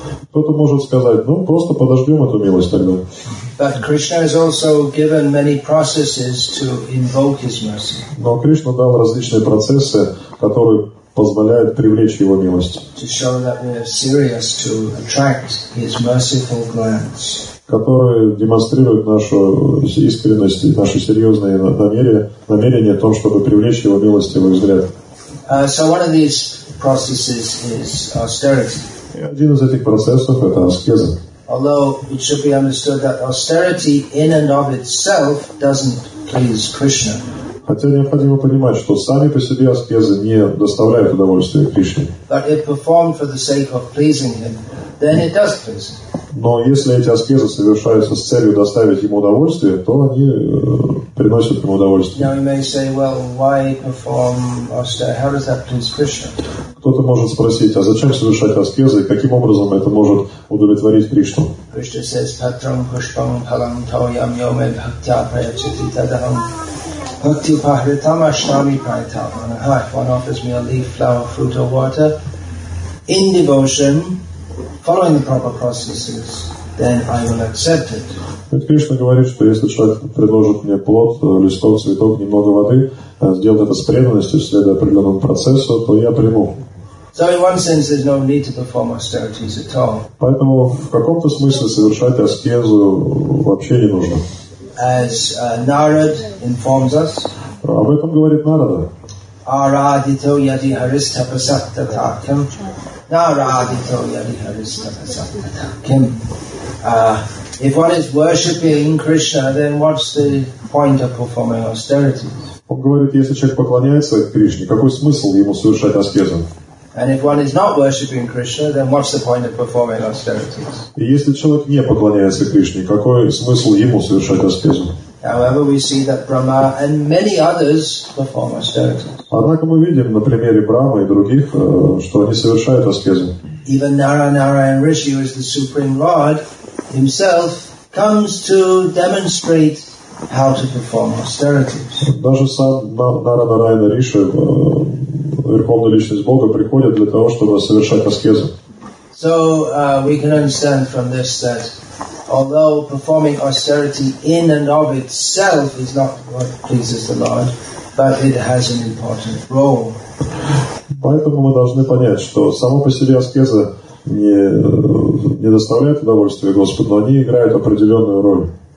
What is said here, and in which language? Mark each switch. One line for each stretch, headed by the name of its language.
Russian: Кто-то может сказать, ну просто подождем эту милость тогда.
English: But Krishna has also given many processes to invoke His mercy.
Russian: Но Кришна дал различные процессы, которые позволяют привлечь Его милость.
English: To show that we are serious to attract His merciful glance.
Russian: Которые демонстрируют нашу искренность, наши серьезные намерения о том, чтобы привлечь Его милость и Его взгляд.
English: So one of these processes is austerity.
Russian: И один из этих процессов – это аскеза.
English: Although it should be understood that austerity in and of itself doesn't please Krishna.
Russian: Хотя необходимо понимать, что сами по себе аскезы не доставляют удовольствия Кришне.
English: But if performed for the sake of pleasing him, then it does please him.
Russian: Но если эти аскезы совершаются с целью доставить ему удовольствие, то они приносят ему удовольствие.
English: Now you may say, well, why perform austerity? How does that please Krishna?
Russian: Кто-то может спросить, а зачем совершать аскезы, каким образом это может удовлетворить Кришну?
Sanskrit: Krishna says, Tatram Pushpam Palam Toyam Yome Bhaktya Prayachiti Tadaham Bhakti Pahritam Ashtami Prayatam.
English: If one offers me a leaf, flower, fruit, or water in devotion, following the proper processes, then I will accept it.
Russian: Ведь Кришна говорит, что если человек предложит мне плод, листок, цветок, немного воды, сделает это с преданностью, следуя определенному процессу, то я приму.
English: So in one sense, there's no need to perform austerities at all.
Russian: Поэтому в каком-то смысле совершать аскезу вообще не нужно.
English: As Narad informs us.
Russian: Об этом говорит Нарада.
Sanskrit: Арадито яди харистапасаттатакхам. Арадито яди харистапасаттатакхам.
English: If one is worshipping Krishna, then what's the point of performing austerities?
Russian: Он говорит, если человек поклоняется Кришне, какой смысл ему совершать аскезу?
English: And if one is not worshipping Krishna, then what's the point of performing austerities?
Russian: И если человек не поклоняется Кришне, какой смысл ему совершать аскезу?
English: However, we see that Brahma and many others perform austerities.
Russian: Однако мы видим на примере Брахмы и других, что они совершают аскезу.
English: Even Narayan Rishi, who is the Supreme Lord, himself comes to demonstrate how to perform austerities.
Russian: Даже сам Нарайана Риши, Верховная Личность Бога, приходит для того, чтобы совершать аскезу.
English: So we can understand from this that although performing austerity in and of itself is not what pleases the Lord, but it has an important role.
Russian: Поэтому мы должны понять, что само по себе аскеза не доставляет удовольствия Господу, но они играют определенную роль.